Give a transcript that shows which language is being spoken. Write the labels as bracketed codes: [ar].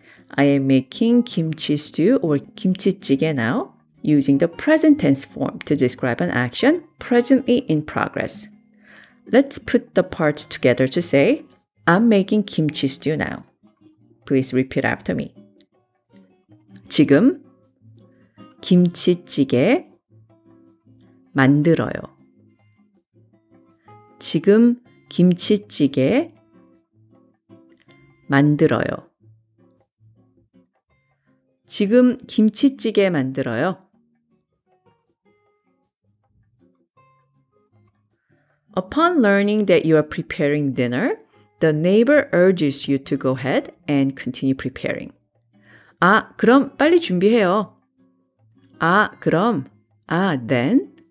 [en] I am making kimchi stew or 김치찌개 now, using the present tense form to describe an action presently in progress. Let's put the parts together to say, I'm making kimchi stew now. Please repeat after me. [ko] 지금 김치찌개 만들어요. 지금 김치찌개 만들어요. 지금 김치찌개 만들어요. 만들어요. [en] Upon learning that you are preparing dinner, the neighbor urges you to go ahead and continue preparing. [ko] 아, 그럼 빨리 준비해요. 아, 그럼, 아, then,